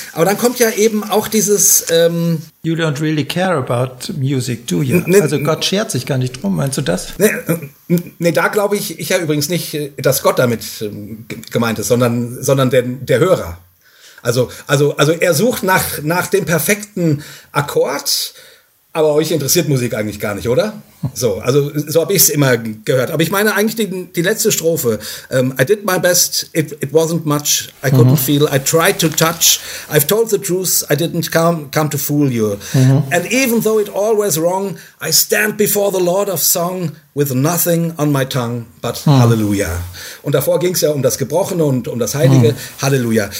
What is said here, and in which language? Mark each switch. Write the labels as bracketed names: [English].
[German] Aber dann kommt ja eben auch dieses [English] You don't really care about music, do you? [German] Also Gott schert sich gar nicht drum, meinst du das? Nee, da glaube ich ja übrigens nicht, dass Gott damit gemeint ist, sondern der Hörer. Also er sucht nach dem perfekten Akkord, aber euch interessiert Musik eigentlich gar nicht, oder? So habe ich es immer gehört. Aber ich meine eigentlich die letzte Strophe. [English] I did my best, it wasn't much, I couldn't feel, I tried to touch, I've told the truth, I didn't come to fool you. And even though it all was wrong, I stand before the Lord of Song with nothing on my tongue but Hallelujah. [German] Und davor ging es ja um das Gebrochene und um das Heilige. Hallelujah.